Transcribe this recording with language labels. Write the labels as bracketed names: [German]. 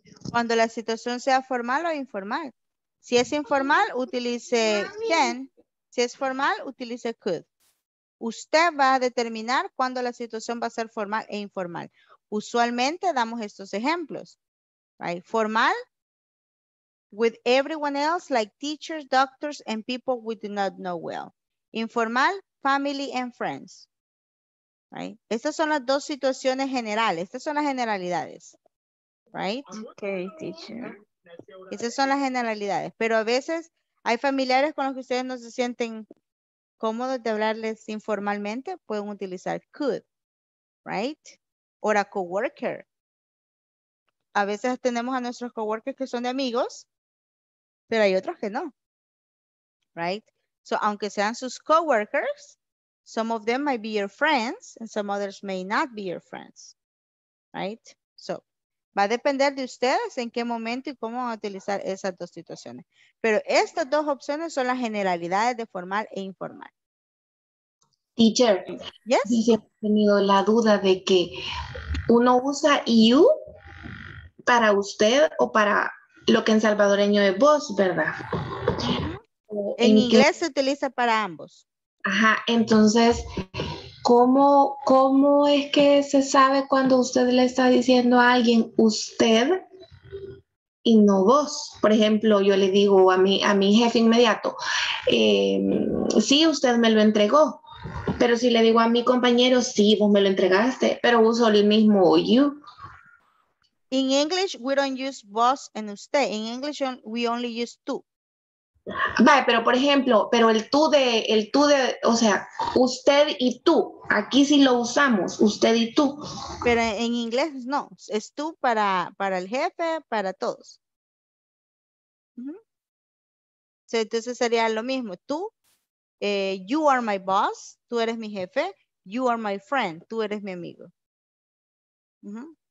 [Spanish] cuando la situación sea formal o informal. Si es informal, utilice can. Si es formal, utilice could. Usted va a determinar cuándo la situación va a ser formal e informal. Usualmente damos estos ejemplos. Right? [English] Formal, with everyone else, like teachers, doctors, and people we do not know well. Informal, family and friends. Right? [Spanish] Estas son las dos situaciones generales. Estas son las generalidades. Right? [English] Okay, teacher. [Spanish] Esas son las generalidades. Pero a veces hay familiares con los que ustedes no se sienten cómodos de hablarles informalmente, pueden utilizar could, right? O a coworker. A veces tenemos a nuestros coworkers que son de amigos, pero hay otros que no, right? [English] So, [Spanish] aunque sean sus coworkers, [English] some of them might be your friends and some others may not be your friends, right? [Spanish] So, va a depender de ustedes en qué momento y cómo van a utilizar esas dos situaciones. Pero estas dos opciones son las generalidades de formal e informal. [English] Teacher. Yes. [Spanish] Dice, he tenido la duda de que uno usa you para usted o para lo que en salvadoreño es vos, ¿verdad? En inglés se utiliza para ambos. Ajá, entonces, ¿cómo es que se sabe cuando usted le está diciendo a alguien usted y no vos? Por ejemplo, yo le digo a mi jefe inmediato, sí, usted me lo entregó. Pero si le digo a mi compañero, sí, vos me lo entregaste, pero uso el mismo you. [English] In English, we don't use vos and usted. In English, we only use tú. [Spanish] Vale, pero por ejemplo, pero el tú de, o sea, usted y tú, aquí sí lo usamos, usted y tú. Pero en inglés no, es tú para el jefe, para todos. Uh-huh. Entonces sería lo mismo, tú, [English] you are my boss, [Spanish] tú eres mi jefe, [English] you are my friend, [Spanish] tú eres mi amigo. Uh-huh.